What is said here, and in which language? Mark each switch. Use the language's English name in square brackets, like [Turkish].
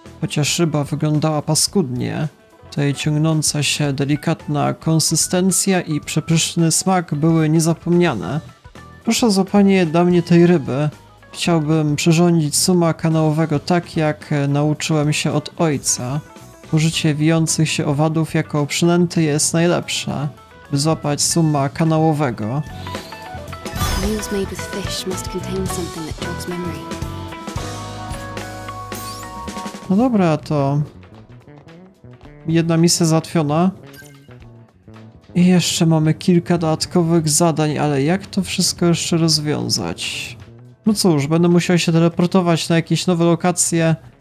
[Polish] Chociaż ryba wyglądała paskudnie, to jej ciągnąca się delikatna konsystencja i przepyszny smak były niezapomniane. Proszę o złapanie dla mnie tej ryby. Chciałbym przyrządzić suma kanałowego tak, jak nauczyłem się od ojca. Użycie wijących się owadów jako przynęty jest najlepsze, by złapać suma kanałowego. [English] Meals made with fish must contain something that jogs memory. [Polish] No dobra, to jedna misja załatwiona. I jeszcze mamy kilka dodatkowych zadań, ale jak to wszystko jeszcze rozwiązać? No cóż, będę musiał się teleportować na jakieś nowe lokacje.